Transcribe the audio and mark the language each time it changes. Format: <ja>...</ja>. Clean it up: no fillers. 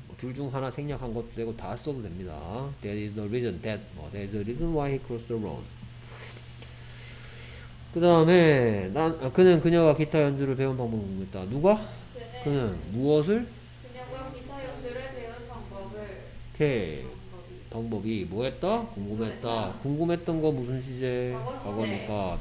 <ko>둘 중 하나 생략한 것도 되고 다 써도 됩니다.</ko> <en>That is the reason that, that is the reason why he crossed the roads.</en> <ko>그 다음에 그는 그녀가 기타 연주를 배운 방법을 궁금했다. 누가? 그는 무엇을? 그녀가 기타 연주를 배운 방법을. 오케이. 방법이 뭐였다? 궁금했다. 궁금했다. 궁금했던 거 무슨 시제? 과거니까.</ko>